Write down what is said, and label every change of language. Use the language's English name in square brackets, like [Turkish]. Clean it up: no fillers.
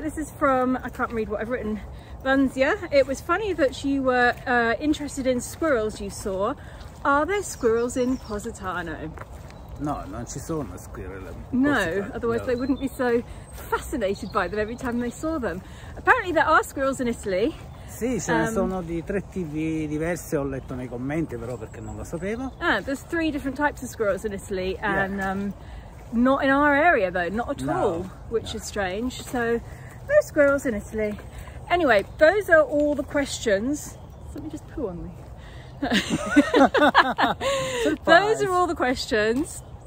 [English] This is from, I can't read what I've written. Vanzia, it was funny that you were interested in squirrels you saw. Are there squirrels in Positano? [Italian] No, non ci sono squirrels. [English] No, otherwise they wouldn't be so fascinated by them every time they saw them. Apparently there are squirrels in Italy. [Italian] Sì, ce ne sono di tre tipi diversi, ho letto nei commenti però perché non lo sapevo. [English] Ah, there's three different types of squirrels in Italy and not in our area though, not at all, which is strange. So, no squirrels in Italy. Anyway, those are all the questions. Let me just poo on me. Those are all the questions.